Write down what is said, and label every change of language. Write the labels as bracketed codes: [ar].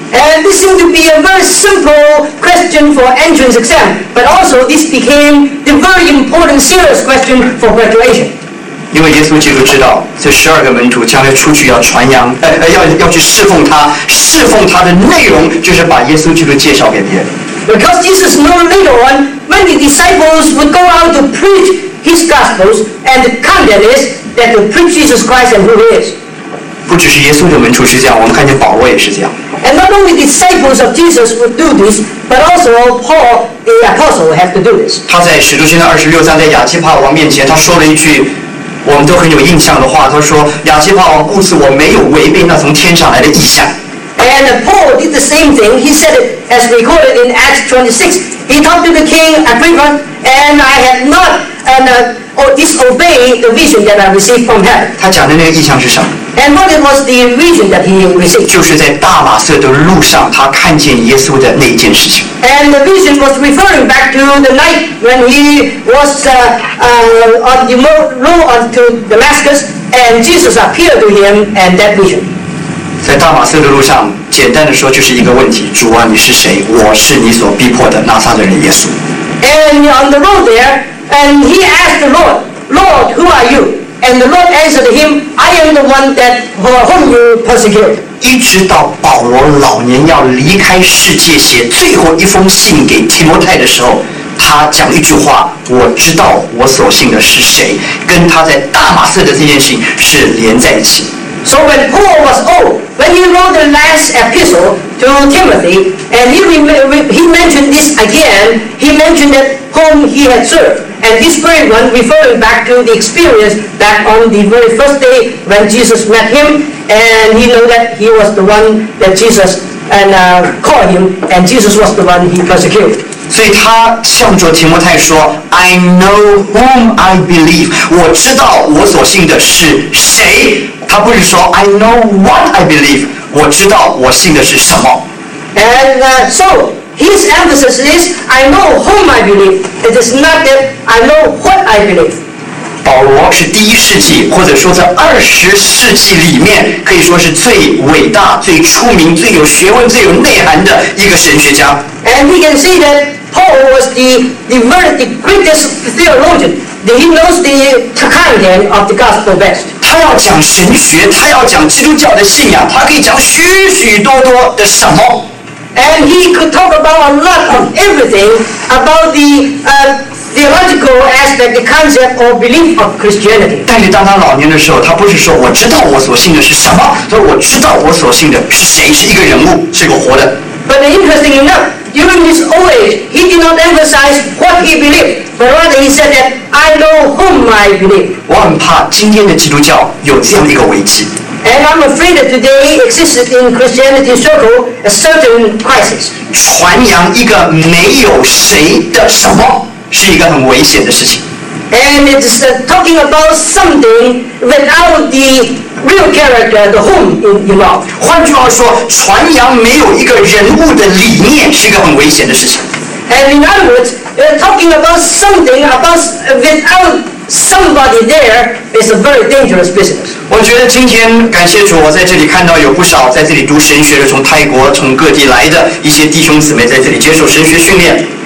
[en] And this seemed to be a very simple question for entrance exam, but also this became the very important serious question for graduation. [zh] 因为耶稣基督知道，这十二个门徒将来出去要传扬，要去侍奉他，侍奉他的内容就是把耶稣基督介绍给别人。 [en] Because Jesus knew later on, when the disciples would go out to preach his gospels, and the content is that to preach Jesus Christ and who he is. [zh] 不只是耶稣的门徒是这样，我们看见保罗也是这样。 [en] And not only the disciples of Jesus would do this, but also Paul the apostle had to do this. [zh] 他在使徒行传二十六章在亚基帕王面前，他说了一句我们都很有印象的话。他说：“亚基帕王，故此我没有违背那从天上来的异象。” [en] And Paul did the same thing. He said it. As recorded in Acts 26, he talked to the king Agrippa, and I had not disobeyed the vision that I received from him. [zh] 他讲的那个异象是什么 [en] ？And what was the vision that he received? [zh] 就是在大马色的路上，他看见耶稣的那件事情。 [en] And the vision was referring back to the night when he was on the road to Damascus, and Jesus appeared to him and that vision. [zh] 在大马色的路上，简单的说就是一个问题：主啊，你是谁？我是你所逼迫的拿撒勒人耶稣。 [en] And on the road there, and he asked the Lord, "Lord, who are you?" And the Lord answered him, "I am the one that whom you persecute." [zh] 一直到保罗老年要离开世界，写最后一封信给提摩太的时候，他讲一句话：我知道我所信的是谁，跟他在大马色的这件事情是连在一起。 [en] So when Paul was old, when he wrote the last epistle to Timothy, and he mentioned this again, he mentioned that whom he had served, and this very one referring back to the experience back on the very first day when Jesus met him, and he knew that he was the one that Jesus and called him, and Jesus was the one he persecuted. [zh] 所以他向着提摩太说 [en] I know whom I believe [zh] 我知道我所信的是谁他不是说 [en] I know what I believe [zh] 我知道我信的是什么 [en] And so his emphasis is I know whom I believe It is not that I know what I believe [zh] 保罗是第一世纪或者说在二十世纪里面可以说是最伟大最出名最有学问最有内涵的一个神学家 [en] And we can see that Paul was the greatest theologian. He knows the content of the gospel best. [zh] 他要讲神学，他要讲基督教的信仰，他可以讲许许多多的什么。 [en] And he could talk about a lot of everything about the theological aspect, the concept or belief of Christianity. [zh] 但是当他老年的时候，他不是说我知道我所信的是什么，他说我知道我所信的是谁，是一个人物，是一个活的。 [en] But interesting enough, during his old age, he did not emphasize what he believed, but rather he said that I know whom I believe. [zh] 我很怕今天的基督教有这样一个危机。 [en] And I'm afraid that today exists in Christianity circle a certain crisis. [zh] 传扬一个没有谁的什么是一个很危险的事情。 [en] And it's talking about something without the real character, the whom you love. [zh] 换句话说，传扬没有一个人物的理念是一个很危险的事情。 [en] And in other words, talking about something about without. Somebody there is a very dangerous business. [zh] 我觉得今天感谢主，我在这里看到有不少在这里读神学的，从泰国、从各地来的一些弟兄姊妹在这里接受神学训练。